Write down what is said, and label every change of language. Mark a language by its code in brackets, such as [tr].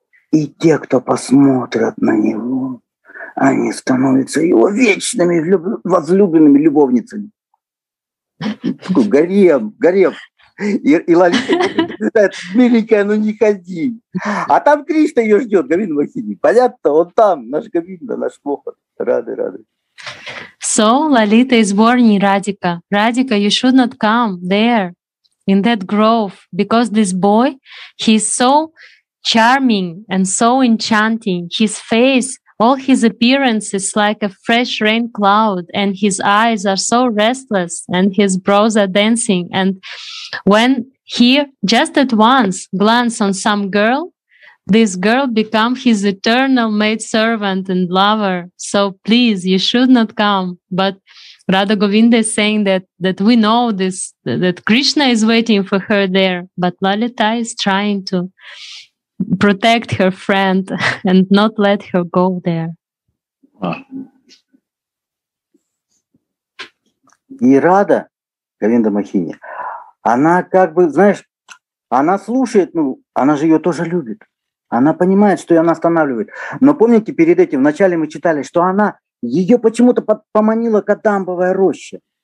[ru] И те, кто посмотрят на него, они становятся его вечными возлюбленными любовницами. Гарем, гарем. И Лолита говорит, миленькая, ну не ходи. А там Кришна ее ждет, Говинда Бахини. Понятно? Он там, наш Говинда, наш Мохан. Рады, рады. [en] So, Lolita is warning Radhika. Radhika, you should not come there, in that grove, because this boy, he is so charming and so enchanting. His face, all his appearance is like a fresh rain cloud, and his eyes are so restless, and his brows are dancing. And when he just at once glance on some girl, this girl becomes his eternal maidservant and lover. So please, you should not come. But Radha Govinda is saying that we know this, that Krishna is waiting for her there, but Lolita is trying to protect her friend and not let her go there. [ru] И Рада, Говинда Махини, она как бы, знаешь, она слушает, ну, она же ее тоже любит. Она понимает, что ее она останавливает. Но помните, перед этим, вначале мы читали, что она ее почему-то поманила Кадамбовая роща.